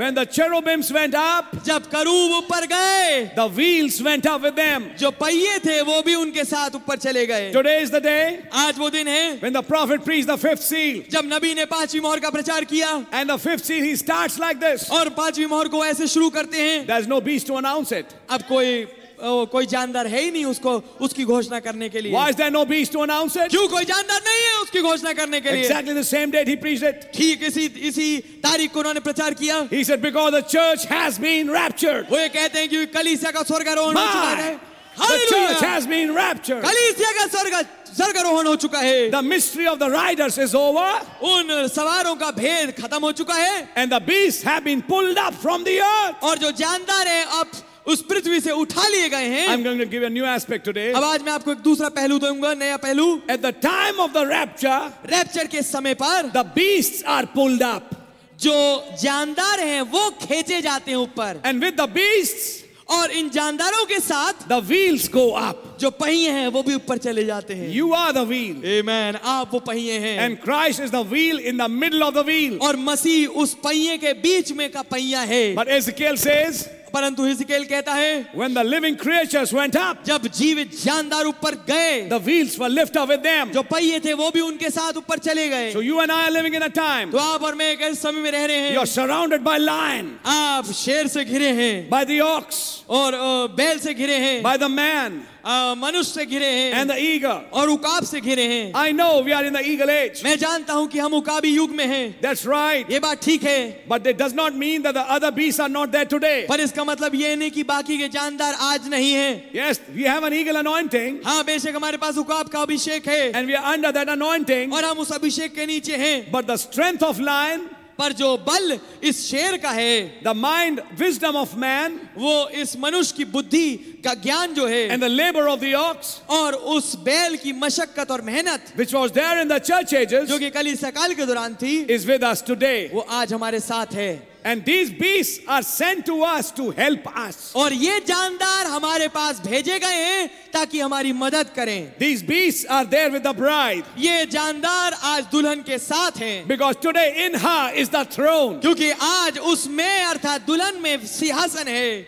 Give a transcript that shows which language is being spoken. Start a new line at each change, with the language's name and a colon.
English: When the cherubims went up.
Hindi: जब करूब ऊपर गए.
English: The wheels went up with them.
Hindi: जो पहिए थे वो भी उनके साथ ऊपर चले गए.
English: Today is the day.
Hindi: आज वो दिन है.
English: When the prophet preached the fifth seal.
Hindi: जब नबी ने पांचवी मोहर का प्रचार किया.
English: And the fifth seal he starts like this.
Hindi: और पांचवी मोहर को ऐसे शुरू करते हैं.
English: There's no beast to announce it.
Hindi: कोई जानदार है ही नहीं उसको, उसकी घोषणा करने के लिए.
English: Why is there no beast to announce it?
Hindi: क्यों कोई जानदार नहीं है उसकी घोषणा करने के लिए?
English: Exactly the same date he preached it.
Hindi: ठीक इसी तारीख को उन्होंने प्रचार किया.
English: He said because the church has been raptured.
Hindi: वो ये कहते हैं कि कलीसिया का स्वर्गारोहण हो चुका है.
English: Hallelujah. The church has been raptured.
Hindi: कलीसिया का स्वर्गारोहण हो चुका है.
English: The mystery of the riders is over.
Hindi: उन सवारों का भेद खत्म हो चुका है.
English: And the beasts have been pulled up from the earth.
Hindi: और जो जानदार है अब उस पृथ्वी से उठा लिए गए हैं.
English: I'm going to give a new aspect today.
Hindi: अब आज मैं आपको एक दूसरा पहलू दूंगा, नया पहलू.
English: At the time of the rapture,
Hindi: rapture के समय पर,
English: the beasts are pulled up.
Hindi: जो जानदार हैं, वो खींचे जाते हैं ऊपर.
English: And with the beasts,
Hindi: और इन जानदारों के साथ,
English: the wheels go up.
Hindi: जो पहिए हैं वो भी ऊपर चले जाते हैं.
English: You are the wheel.
Hindi: Amen. आप वो पहिए हैं.
English: And Christ is the wheel in the middle of the wheel.
Hindi: और मसीह उस पहिए के बीच में का पहिया है.
English: But Ezekiel says.
Hindi: परंतु हिजकेल कहता है,
English: When the living creatures went up,
Hindi: जब जीवित जानदार ऊपर गए,
English: the wheels were lifted up with them,
Hindi: जो पहिए थे वो भी उनके साथ ऊपर चले गए.
English: So you and I are living in a time,
Hindi: तो आप और मैं एक ऐसे समय में रह रहे हैं,
English: you are surrounded by lion,
Hindi: आप शेर से घिरे हैं,
English: by the ox,
Hindi: और बैल से घिरे हैं,
English: by the man,
Hindi: मनुष्य से घिरे हैं,
English: and the eagle,
Hindi: और उकाब से घिरे हैं.
English: I know we are in the eagle age.
Hindi: मैं जानता हूं कि हम उकाबी युग में हैं.
English: That's right.
Hindi: ये बात ठीक है.
English: But it does not mean that the other beasts are not there today.
Hindi: पर इसका मतलब ये नहीं कि बाकी के जानदार आज नहीं हैं.
English: Yes, we have an eagle anointing.
Hindi: हाँ, बेशक हमारे पास उकाब का अभिषेक है.
English: And we are under that anointing.
Hindi: और हम उस अभिषेक के नीचे हैं.
English: But the strength of lion.
Hindi: पर जो बल इस शेर का है,
English: the mind wisdom of man,
Hindi: वो इस मनुष्य की बुद्धि का ज्ञान जो है,
English: and the labor of the ox,
Hindi: और उस बैल की मशक्कत और मेहनत,
English: which was there in the church ages,
Hindi: जो कि कलीसिया काल के दौरान थी,
English: is with us today,
Hindi: वो आज हमारे साथ है.
English: And these beasts are sent to us to help us.
Hindi: और ये जानदार हमारे पास भेजे गए हैं ताकि हमारी मदद करें.
English: These beasts are there with the bride.
Hindi: ये जानदार आज दुल्हन के साथ हैं.
English: Because today in her is the throne.
Hindi: क्योंकि आज उसमें अर्थात दुल्हन में सिंहासन है.